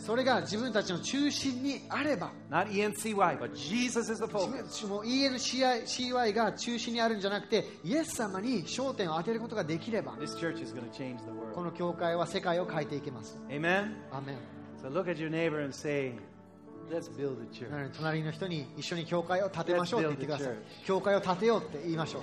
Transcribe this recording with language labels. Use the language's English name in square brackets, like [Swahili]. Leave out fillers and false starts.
[Japanese] それが自分たちの中心にあれば、 [English] Not ENCY, but Jesus is the focus. [Japanese] もう ENCY が中心にあるんじゃなくて、イエス様に焦点を当てることができれば、 [English] This church is going to change the world. [Japanese] この教会は世界を変えていきます。 [English] Amen. Amen. So look at your neighbor and say, Let's build a church. [Japanese] 隣の人に一緒に教会を建てましょうって言ってください。 [English] Let's build a church. [Japanese] 教会を建てようって言いましょう。